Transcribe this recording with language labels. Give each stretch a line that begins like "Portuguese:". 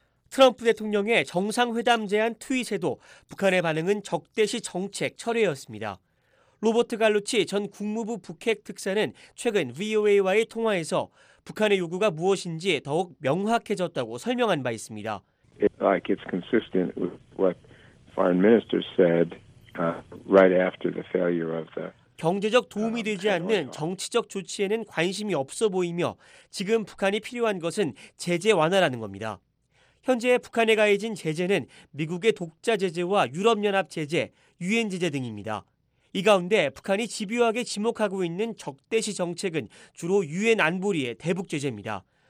Korean: 트럼프 대통령의 정상회담 제안 트윗에도 북한의 반응은 적대시 정책 철회였습니다. 로버트 갈루치 전 국무부 북핵 특사는 최근 VOA와의 통화에서 북한의 요구가 무엇인지 더욱 명확해졌다고 설명한 바 있습니다.
English: It's consistent with what foreign minister said right after the failure of the
Korean: 경제적 도움이 되지 않는 정치적 조치에는 관심이 없어 보이며 지금 북한이 필요한 것은 제재 완화라는 겁니다. 현재 북한에 가해진 제재는 미국의 독자 제재와 유럽연합 제재, 유엔 제재 등입니다. 이 가운데 북한이 집요하게 지목하고 있는 적대시 정책은 주로 유엔 안보리의 대북 제재입니다.